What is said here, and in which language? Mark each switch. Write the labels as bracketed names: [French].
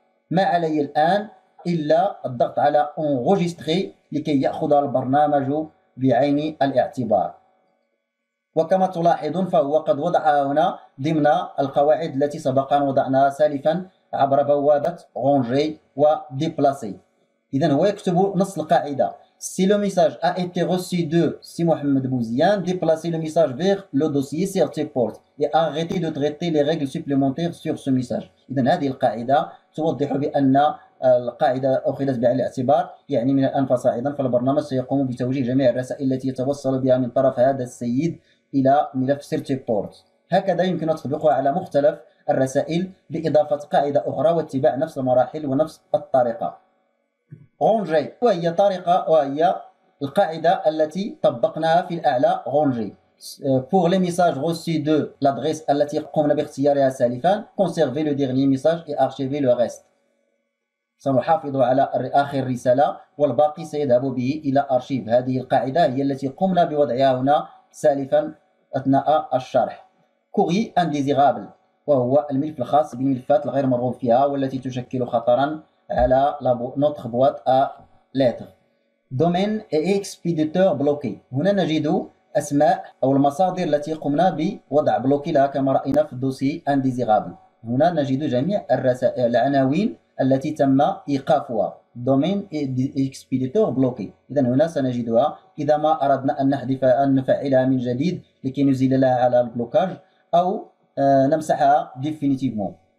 [Arabic] ما علي الآن إلا الضغط على انغوجستري لكي يأخذ البرنامج بعين الاعتبار. وكما تلاحظون فهو قد وضع هنا ضمن القواعد التي سبقا وضعناها سالفا عبر بوابة رونجي وديبلاسي. إذن هو يكتب نص القاعدة. [French] Si le message a été reçu de si Mohamed Bouzian, déplacez le message vers le dossier CertiPort et arrêtez de traiter les règles supplémentaires sur ce message. [Arabic] إذن هذه القاعدة توضح بأن القاعدة أخذت بعين الاعتبار. يعني من الآن فصاعدا فالبرنامج سيقوم بتوجيه جميع الرسائل التي يتوصل بها من طرف هذا السيد إلى ملف CertiPort. هكذا يمكن تطبيقها على مختلف الرسائل بإضافة قاعدة أخرى واتباع نفس المراحل ونفس الطريقة. رونجي وهي طريقة وهي القاعدة التي طبقناها في الأعلى رونجي. [French] Pour les messages reçus de l'adresse [Arabic] التي قمنا باختيارها سالفا [French] conservez le dernier message et archivez le reste. [Arabic] سنحافظ على آخر رسالة والباقي سيذهب به إلى أرشيف. هذه القاعدة هي التي قمنا بوضعها هنا سالفا أثناء الشرح. [French] Courrier indésirable [Arabic] وهو الملف الخاص بالملفات الغير مرغوب فيها والتي تشكل خطرا على [French] notre boîte à lettres. Domaine et expéditeur bloqué. [Arabic] هنا نجد أسماء أو المصادر التي قمنا بوضع بلوكي لها كما رأينا في الدوسي انديزيرابل. هنا نجد جميع العناوين التي تم إيقافها. دومين اكسبيديتور بلوكي. اذا هنا سنجدها اذا ما اردنا ان نحذف ان نفعلها من جديد لكي نزيل لها على البلوكاج او نمسحها ديفينيتيفمون.